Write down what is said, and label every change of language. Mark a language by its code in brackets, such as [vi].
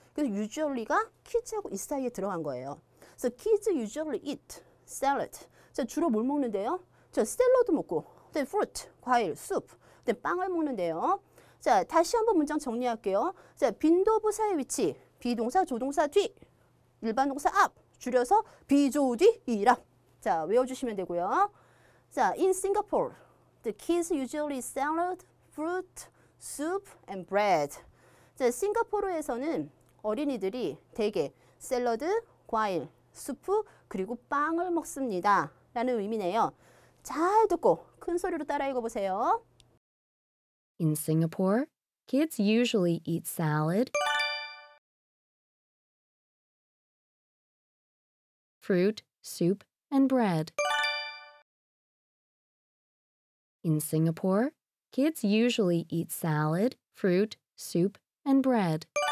[ko] 그래서 usually가 kids하고 eat 사이에 들어간 거예요. [en] So kids usually eat salad. [ko] 자, 주로 뭘 먹는데요? 자, 샐러드 먹고, then fruit, 과일, soup, then 빵을 먹는데요. 자, 다시 한번 문장 정리할게요. 자, 빈도 부사의 위치, 비동사, 조동사 뒤, 일반 동사 앞, 줄여서 BJODE라. 자, 외워주시면 되고요. [en] 자, in Singapore, the kids usually salad, fruit, soup, and bread. [ko] 자, 싱가포르에서는 어린이들이 대개 샐러드, 과일, 수프, 그리고 빵을 먹습니다. 라는 의미네요. 잘 듣고 큰 소리로 따라 읽어보세요. [en] In Singapore, kids usually eat salad, fruit, soup, and bread. In Singapore, kids usually eat salad, fruit, soup, and bread.